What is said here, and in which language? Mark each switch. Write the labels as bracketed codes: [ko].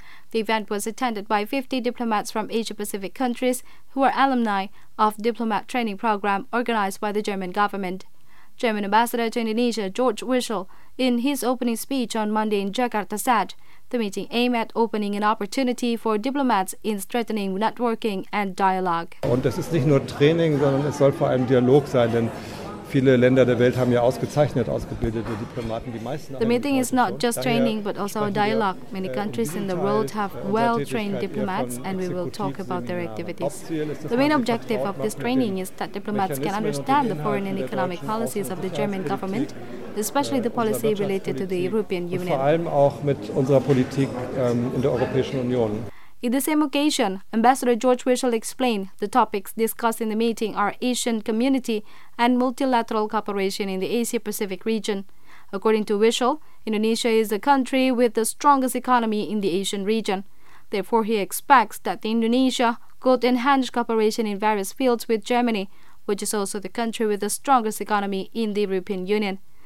[en] The event was attended by 50 diplomats from Asia-Pacific countries who are alumni of diplomat training program organized by the German government. German Ambassador to Indonesia, George Wischel, in his opening speech on Monday in Jakarta said, the meeting aimed at opening an opportunity for diplomats in strengthening networking and dialogue. [de] Und es ist nicht nur Training, sondern es soll vor allem Dialog sein, denn viele Länder der Welt haben ja ausgezeichnet ausgebildete Diplomaten, die meisten. [en] The meeting is not just training but also a dialogue. Many countries in the world have well-trained diplomats and we will talk about their activities. The main objective of this training is that diplomats can understand the foreign and economic policies of the German government, especially the policy related to the European Union. [de] Vor allem auch mit unserer Politik in der Europäischen Union. [en] In the same occasion, Ambassador George Wischel explained the topics discussed in the meeting are Asian community and multilateral cooperation in the Asia-Pacific region. According to Wischel, Indonesia is a country with the strongest economy in the Asian region. Therefore, he expects that Indonesia could enhance cooperation in various fields with Germany, which is also the country with the strongest economy in the European Union.